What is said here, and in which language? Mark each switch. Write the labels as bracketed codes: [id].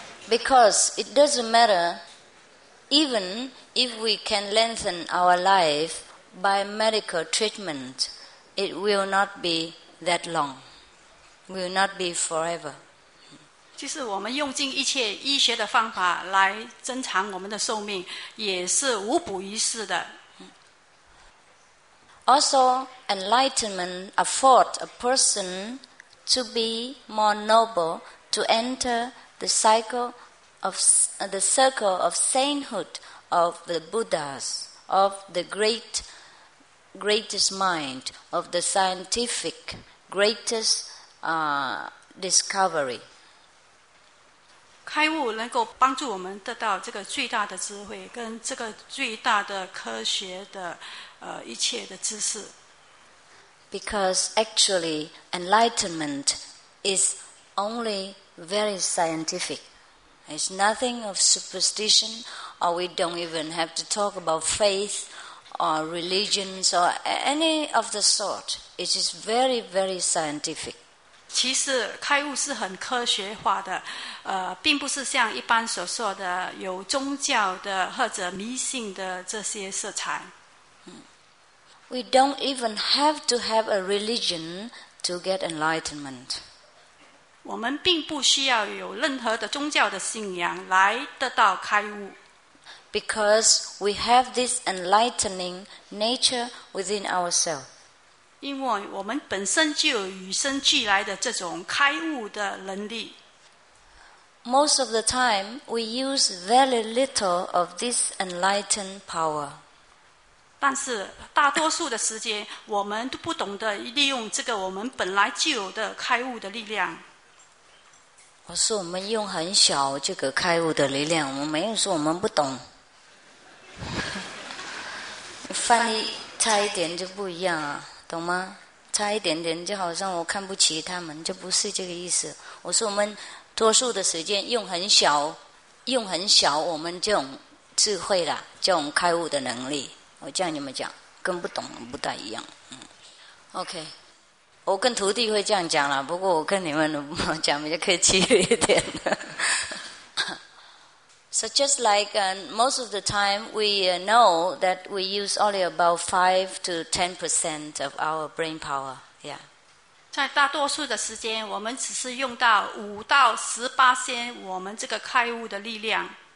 [en] Because it doesn't matter, even if we can lengthen our life by medical treatment, it will not be that long. Will not be forever. [zh] 其实我们用尽一切医学的方法来增长我们的寿命，也是无补于事的。 [en] Also, enlightenment affords a person to be more noble, to enter the circle of sainthood of the Buddhas, of the greatest mind, of the scientific greatest discovery. [zh] 开悟能够帮助我们得到这个最大的智慧跟这个最大的科学的一切的知识。 [en] Because actually enlightenment is only very scientific. It's nothing of superstition, or we don't even have to talk about faith or religions or any of the sort. It is very, very scientific. [zh] 其实开悟是很科学化的，并不是像一般所说的有宗教的或者迷信的这些色彩。 [en] We don't even have to have a religion to get enlightenment. [zh] 我们并不需要有任何的宗教的信仰来得到开悟。 [en] Because we have this enlightening nature within ourselves. [zh] 因为我们本身就有与生俱来的这种开悟的能力。 [en] Most of the time, we use very little of this enlightened power. [zh] 但是大多数的时间，我们都不懂得利用这个我们本来就有的开悟的力量。我说我们用很小这个开悟的力量，我没有说我们不懂。翻译差一点就不一样啊，懂吗？差一点点就好像我看不起他们，就不是这个意思。我说我们多数的时间用很小我们这种智慧啦，这种开悟的能力，我这样你们讲跟不懂不大一样。 [en] OK。 [zh] 我跟徒弟会这样讲啦，不过我跟你们讲比较客气一点。 [en] So just like most of the time we know that we use only about 5-10% of our brain power. Yeah. [zh] 在大多数的时间我们只是用到5-10%我们这个开悟的力量。